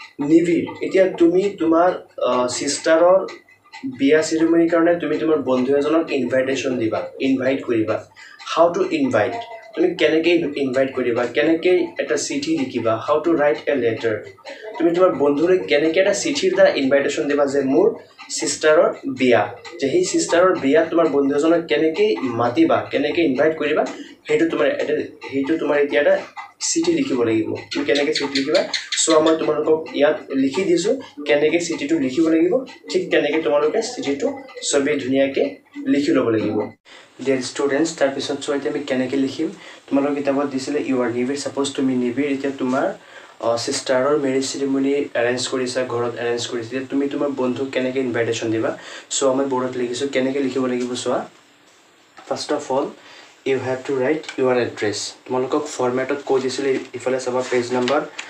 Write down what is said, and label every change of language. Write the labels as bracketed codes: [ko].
[as] নিবিড়, এতিয়া তুমি তোমাৰ ছিষ্টাৰৰ বিয়া চেৰিমনিৰ কাৰণে তুমি তোমাৰ বন্ধু এজনক ইনভাইটেশ্যন দিবা, ইনভাইট কৰিবা, [en] how to invite, [as] তুমি কেনেকৈ ইনভাইট কৰিবা, কেনেকৈ এটা চিঠি লিখিবা, [en] how to write a letter, [as] তুমি তোমাৰ বন্ধুলৈ কেনেকৈ এটা চিঠিৰ দ্বাৰা ইনভাইটেশ্যন দিবা যে মোৰ ছিষ্টাৰৰ বিয়া, যে সেই ছিষ্টাৰৰ বিয়াত তোমাৰ বন্ধু এজনক কেনেকৈ মাতিবা, কেনেকৈ ইনভাইট কৰিবা, সেইটো তোমাৰ এটা সেইটো তোমাৰ এতিয়া এটা চিঠি লিখিব লাগিব, তুমি কেনেকৈ চিঠি লিখিবা। চ' মই তোমালোকক ইয়াত লিখি দিছোঁ কেনেকৈ চিঠিটো লিখিব লাগিব, ঠিক তেনেকৈ তোমালোকে চিঠিটো চবেই ধুনীয়াকৈ লিখি ল'ব লাগিব। [en] dear students, [as] তাৰপিছত চোৱা এতিয়া আমি কেনেকৈ লিখিম, তোমালোকৰ কিতাপত দিছিলে [en] you are Nibir, [as] ছাপ'জ তুমি নিবিড়, এতিয়া তোমাৰ ছিষ্টাৰৰ মেৰেজ চেৰিমনি এৰেঞ্জ কৰিছা, ঘৰত এৰেঞ্জ কৰিছা, এতিয়া তুমি তোমাৰ বন্ধুক কেনেকৈ ইনভাইটেশ্যন দিবা। চ' মই বোৰ্ডত লিখিছোঁ কেনেকৈ লিখিব লাগিব চোৱা, [en] first of all you have to write your address, [as] তোমালোকক ফৰ্মেটত কৈ দিছিলে ইফালে চাবা পেজ নম্বৰ